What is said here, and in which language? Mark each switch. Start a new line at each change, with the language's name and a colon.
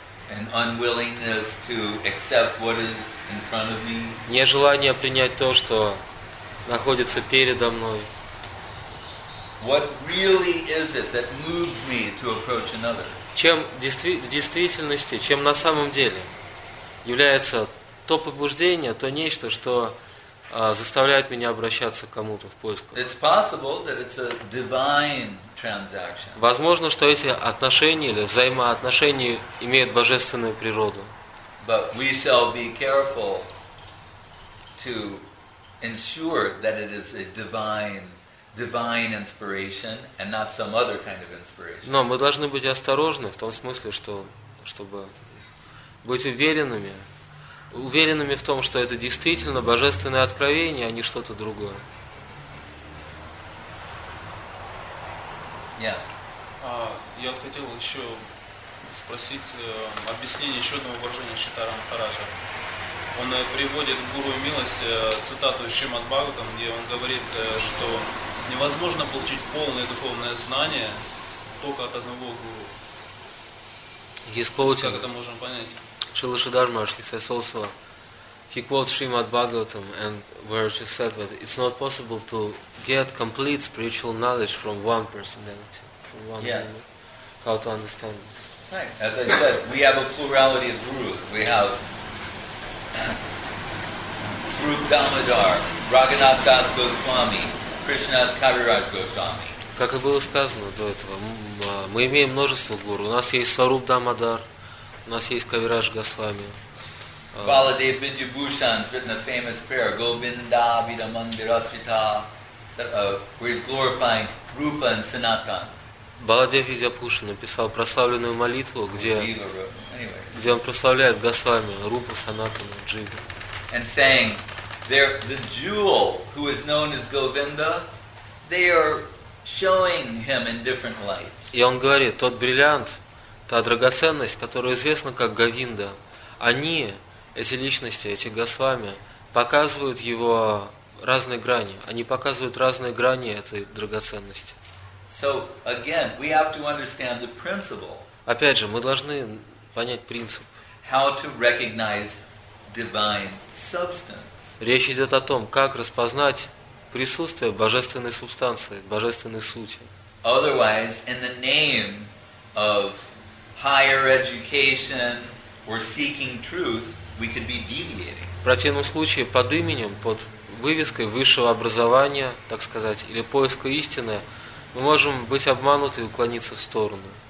English: An unwillingness to accept what is in front of me.
Russian: Нежелание принять то, что находится передо мной.
English: What really is it that moves me to approach another?
Russian: Чем в действительности, чем на самом деле является то побуждение, то нечто, что заставляет меня обращаться к кому-то в поисках?
English: It's possible that it's a divine transaction.
Russian: Возможно, что эти отношения или взаимоотношения имеют божественную природу.
English: But we shall be careful to ensure that it is a divine inspiration and not some other kind of inspiration.
Russian: Но мы должны быть осторожны в том смысле, чтобы быть уверенными в том, что это действительно божественное откровение, а не что-то другое. Yeah. Я вот хотел еще спросить объяснение еще одного выражения Шитара Махараджа. Он приводит к Гуру Милость цитату из Шримад Бхагаватам, где он говорит, что невозможно получить полное духовное знание только от одного гуру. Как это можем понять?
English: Шрила Шридхара Махараджа says also, he quotes Srimad Bhagavatam, and where she said that it's not possible to get complete spiritual knowledge from one personality. From one yes. How to understand this? Right. As I said, we have a plurality of gurus. We have Swarup Damodar, Raghunath Das Goswami, Krishnadas Kaviraj Goswami.
Russian: Как и было сказано до этого, мы имеем множество гуру. У нас есть Сваруп Дамодар, у нас есть Кавирадж Госвами.
English: Баладев Бидьябушан has written a famous prayer, Govinda Vidamandirasvita, where he's glorifying Rupa and Sanatana.
Russian: Баладев Видяпуша написал прославленную молитву, где,
English: anyway.
Russian: Где он прославляет Госвами, Рупу Санатану, Дживу.
English: And saying, the jewel who is known as Govinda, they are showing him in different light.
Russian: И он говорит, тот бриллиант, та драгоценность, которая известна как Говинда, они, эти личности, эти Госвами, показывают его разные грани. Они показывают разные грани этой драгоценности.
English: So again, we have to understand the principle.
Russian: Опять же, мы должны понять принцип.
English: How to recognize divine substance.
Russian: Речь идет о том, как распознать присутствие божественной субстанции, божественной сути.
English: Otherwise, in the name of higher education or seeking truth, we could be deviating.
Russian: В противном случае, под именем, под вывеской высшего образования, так сказать, или поиска истины, мы можем быть обмануты и уклониться в сторону.